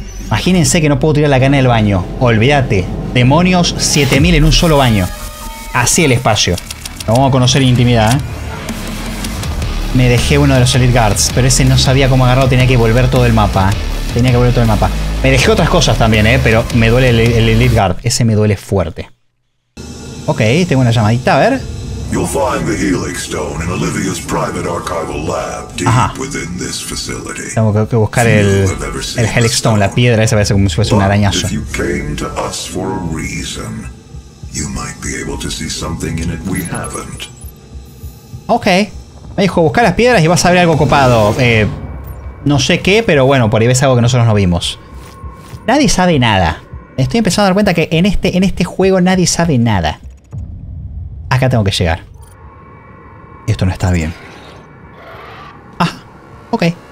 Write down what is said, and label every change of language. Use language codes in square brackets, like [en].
[es] Imagínense que no puedo tirar la cana del baño. Olvídate. Demonios 7000 en un solo baño. Así el espacio. Lo vamos a conocer en intimidad, Me dejé uno de los Elite Guards, pero ese no sabía cómo agarrarlo. Tenía que volver todo el mapa. Me dejé otras cosas también, pero me duele el Elite Guard. Ese me duele fuerte. Ok, tengo una llamadita, a ver. [en] You'll find the Helix Stone in Olivia's private archival lab deep within this facility. [es] Tengo que buscar el Helix Stone, la piedra esa, parece como si fuese un arañazo. [en] If you came to us for a reason, you might be able to see something in it we haven't. Okay. [es] Me dijo, busca las piedras y vas a ver algo copado. No sé qué, pero bueno, por ahí ves algo que nosotros no vimos. Nadie sabe nada. Estoy empezando a dar cuenta que en este juego nadie sabe nada. Acá tengo que llegar. Esto no está bien. Ah, ok.